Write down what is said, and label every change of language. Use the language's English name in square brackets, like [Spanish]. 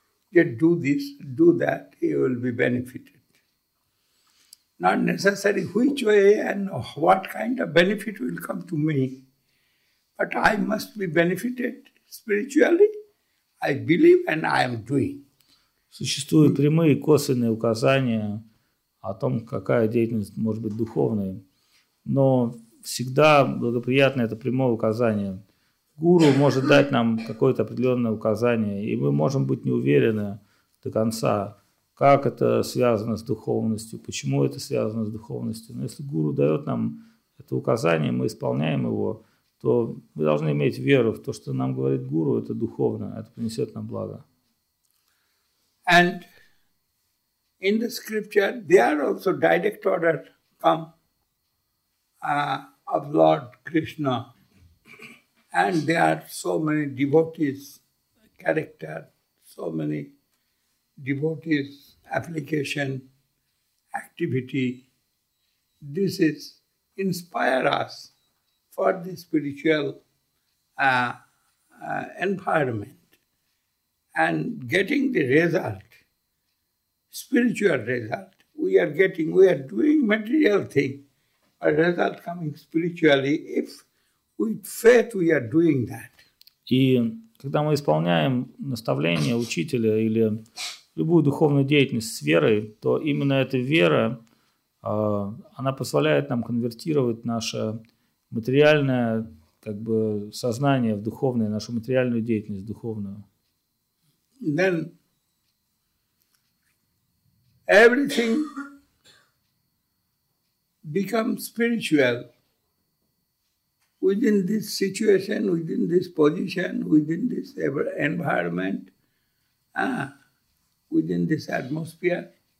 [English] Yet do this, do that, he will be benefited. Not necessary which way and what kind of benefit will come to me, but I must be benefited spiritually. I believe and I am doing. [Russian] Существуют прямые и косвенные указания о том, какая деятельность может быть духовной. Но всегда благоприятно это прямое указание. Гуру может дать нам какое-то определенное указание, и мы можем быть не уверены до конца, как это связано с духовностью, почему это связано с духовностью. Но если гуру дает нам это указание, мы исполняем его, то мы должны иметь веру в то, что нам говорит гуру, это духовно, это принесет нам благо. [English] And in the scripture, there also direct order come of Lord Krishna. And there are so many devotees' character, so many devotees' application, activity. This is inspire us for the spiritual environment. And getting the result, spiritual result. We are doing material thing, a result coming spiritually, if with faith we are doing that. [Russian] И когда мы исполняем наставление учителя или любую духовную деятельность с верой, то именно эта вера, она позволяет нам конвертировать наше материальное как бы сознание в духовное, нашу материальную деятельность в духовную. [English] Then everything becomes spiritual within this situation, within this position, within this environment, within this atmosphere.